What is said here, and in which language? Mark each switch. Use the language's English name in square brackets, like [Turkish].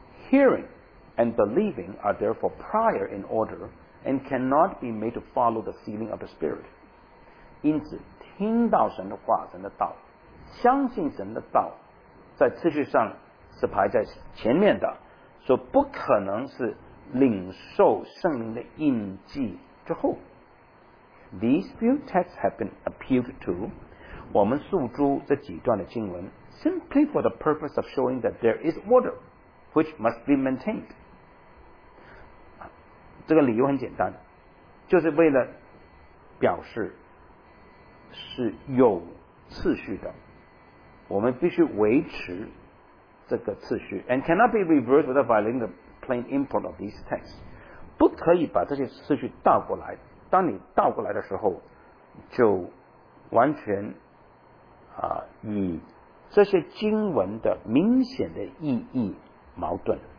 [English] Hearing and believing are therefore prior in order and cannot be made to follow the sealing of the Spirit. [Chinese] 因此听到神的话，神的道，相信神的道，在次序上是排在前面的，所以不可能是领受圣灵的印记之后。 [English] These few texts have been appealed to, [Chinese] 我们诉诸这几段的经文 [English] simply for the purpose of showing that there is order.Which must be maintained. [Chinese] 这个理由很简单，就是为了表示是有次序的，我们必须维持这个次序。 [English] And cannot be reversed without violating the plain import of these texts， [Chinese] 不可以把这些次序倒过来，当你倒过来的时候就完全与这些经文的明显的意义矛盾。